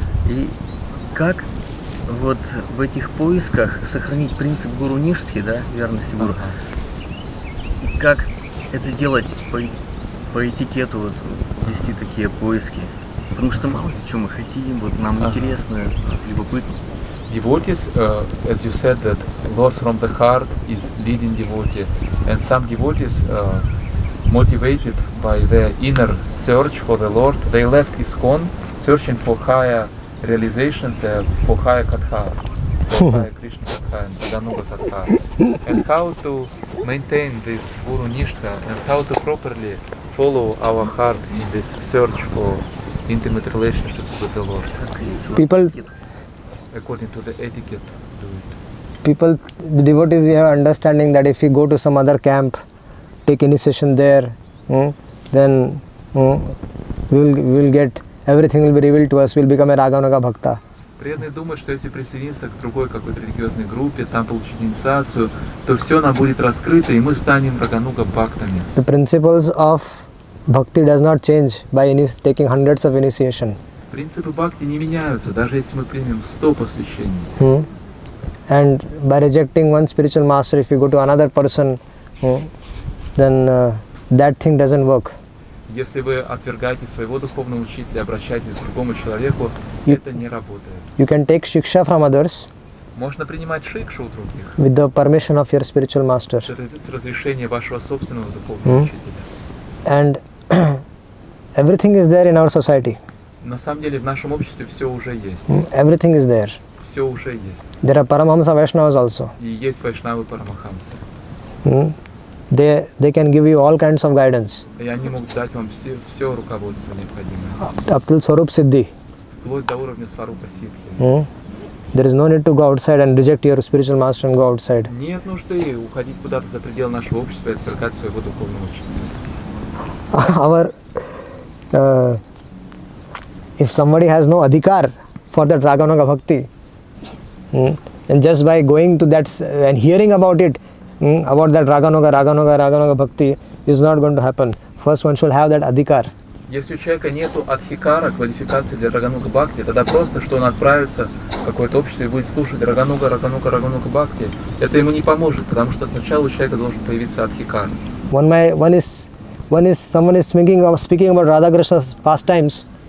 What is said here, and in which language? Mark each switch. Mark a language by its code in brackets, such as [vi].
[ru] И как вот в этих поисках сохранить принцип Гуру Ништхи, да, верности Гуру? И как это делать по этикету, вот, вести такие поиски? Потому что мало ли, что мы хотим, вот нам интересно, любопытно. [en] Devotees, as you said, that love from the heart is leading devotee. And some devotees, motivated by their inner search for the Lord, they left ISKCON searching for higher realizations, for higher katha, for higher Krishna katha and Dhyanuga katha. And how to maintain this Guru Nishtha and how to properly follow our heart in this search for intimate relationships with the Lord. People, according to the etiquette. People, the devotees, we have understanding that if we go to some other camp, take initiation there, then we'll get, everything will be revealed to us, we'll become a Raganuga Bhakta. [ru] Преданные думают, что если присоединиться к другой какой-то религиозной группе, там получить инициацию, то все нам будет раскрыто, и мы станем Рагануга Бхактами. [en] The principles of bhakti does not change by taking hundreds of initiation. [ru] Принципы бхакти не меняются, даже если мы примем 100 посвящений. [en] And by rejecting one spiritual master, if you go to another person, then that thing doesn't work. [ru] Если вы отвергаете своего духовного учителя, обращаетесь к другому человеку, это не работает. [en] You can take shiksha from others. [ru] Можно принимать шикшу у других. [en] With the permission of your spiritual master. [ru] С разрешения вашего собственного духовного учителя. [en] And everything is there in our society. [ru] На самом деле в нашем обществе все уже есть. [en] Everything is there. [ru] Все уже есть. [en] There are paramahamsa vaishnavas also. [ru] И есть вайшнавы парамахамсы. [en] They can give you all kinds of guidance. [ru] И они могут дать вам все руководство необходимое. [en] Up till Swarup Siddhi. [ru] Вплоть до уровня Сварупа Сиддхи. [en] There is no need to go outside and reject your spiritual master and go outside. [ru] Нет нужды уходить куда-то за пределы нашего общества и отвергать своего духовного учителя. [en] Our if somebody has no adhikar for that Raganuga Bhakti, and just by going to that and hearing about it, about that Raganuga Bhakti, is not going to happen. First one should have that adhikar. [ru] Если у человека нету адхикара, квалификации для Рагануга Бхакти, тогда просто, что он отправится в какое-то общество и будет слушать Рагануга Бхакти, это ему не поможет, потому что сначала у человека должен появиться адхикар. [en] Someone is speaking about Radha Krishna's pastimes.